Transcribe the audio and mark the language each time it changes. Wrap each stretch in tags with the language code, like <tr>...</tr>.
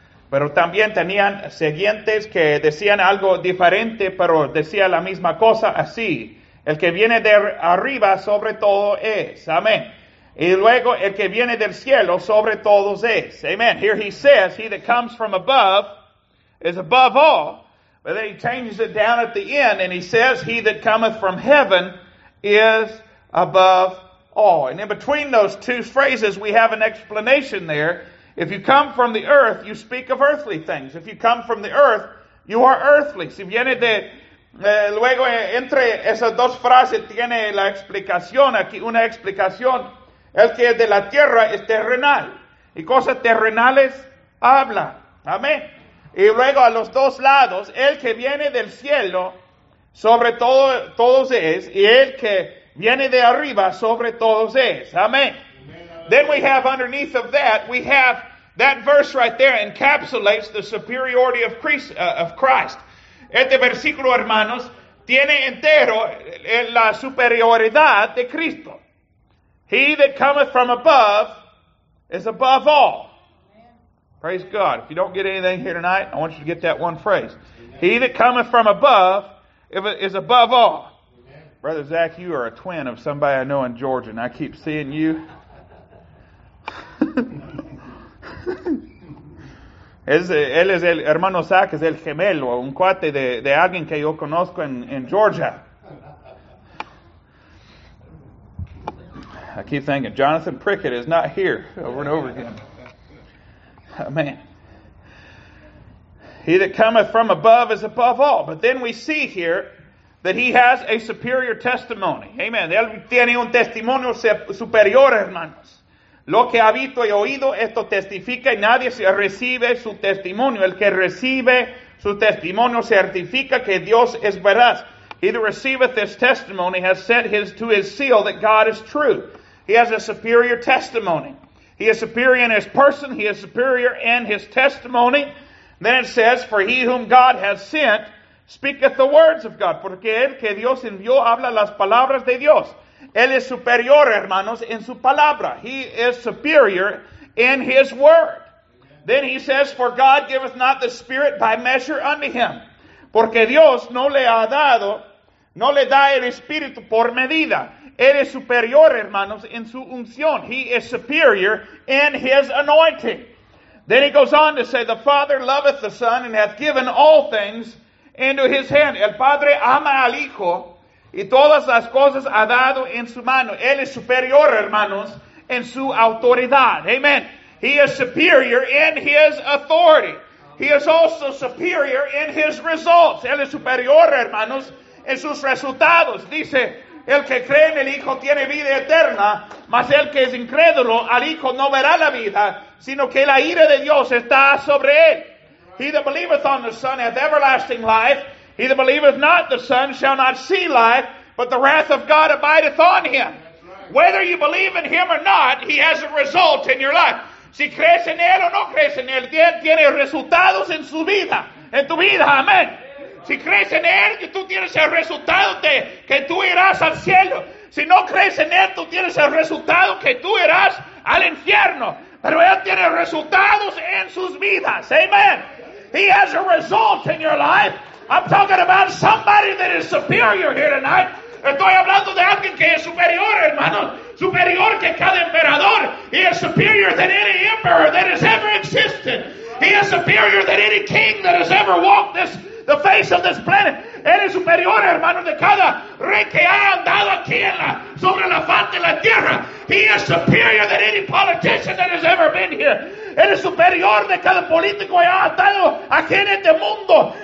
<es>Pero también tenían siguientes que decían algo diferente, pero decía la misma cosa así. El que viene de arriba sobre todo es. Amén. Y luego el que viene del cielo sobre todos es.</es> <en>Amen. Here he says, he that comes from above is above all. But then he changes it down at the end and he says, he that cometh from heaven is above all. And in between those two phrases, we have an explanation there. If you come from the earth, you speak of earthly things. If you come from the earth, you are earthly.</en> <es>Si viene de... luego entre esas dos frases tiene la explicación aquí, una explicación. El que es de la tierra es terrenal. Y cosas terrenales habla. Amén. Y luego a los dos lados, el que viene del cielo, sobre todo, todos es. Y el que viene de arriba, sobre todos es. Amén.</es> <en>Then we have underneath of that, we have that verse right there encapsulates the superiority of Christ.</en> <es>Este versículo, hermanos, tiene entero la superioridad de Cristo.</es> <en>He that cometh from above is above all. Praise God. If you don't get anything here tonight, I want you to get that one phrase. Amen. He that cometh from above is above all. Amen. Brother Zach, you are a twin of somebody I know in Georgia, and I keep seeing you.</en> <es>Él es el hermano Zach, es el gemelo, un cuate de alguien que yo conozco en Georgia.</es> <en>I keep thinking, Jonathan Prickett is not here, over and over again. Amen. He that cometh from above is above all. But then we see here that he has a superior testimony.</en> <es>Amen. Él tiene un testimonio superior, hermanos. Lo que ha visto y oído, esto testifica y nadie recibe su testimonio. El que recibe su testimonio certifica que Dios es veraz.</es> <en>He that receiveth his testimony has set his to his seal that God is true. He has a superior testimony. He is superior in his person. He is superior in his testimony. Then it says, for he whom God has sent speaketh the words of God.</en> <es>Porque el que Dios envió habla las palabras de Dios. Él es superior, hermanos, en su palabra.</es> <en>He is superior in his word. Then he says, for God giveth not the spirit by measure unto him.</en> <es>Porque Dios no le ha dado, no le da el espíritu por medida. Él es superior, hermanos, en su unción.</es> <en>He is superior in his anointing. Then he goes on to say, the Father loveth the Son and hath given all things into his hand.</en> <es>El Padre ama al Hijo y todas las cosas ha dado en su mano. Él es superior, hermanos, en su autoridad. Amen.</es> <en>He is superior in his authority. He is also superior in his results.</en> <es>Él es superior, hermanos, en sus resultados. Dice, el que cree en el Hijo tiene vida eterna, mas el que es incrédulo al Hijo no verá la vida, sino que la ira de Dios está sobre él.</es> <en>He that believeth on the Son hath everlasting life. He that believeth not the Son shall not see life, but the wrath of God abideth on him. Whether you believe in him or not, he has a result in your life.</en> <es>Si crees en él o no crees en él, tiene resultados en su vida, en tu vida. Amén. Si crees en él, tú tienes el resultado de que tú irás al cielo. Si no crees en él, tú tienes el resultado que tú irás al infierno. Pero él tiene resultados en sus vidas. Amen.</es> <en>He has a result in your life. I'm talking about somebody that is superior here tonight.</en> <es>Estoy hablando de alguien que es superior, hermano. Superior que cada emperador.</es> <en>He is superior than any emperor that has ever existed. He is superior than any king that has ever walked the face of this planet.</en> <es>Él es superior, hermano, de cada rey que ha andado aquí sobre la faz de la tierra.</es> <en>He is superior than any politician that has ever been here.</en> <es>Él es superior de cada político que ha estado aquí en este mundo.</es>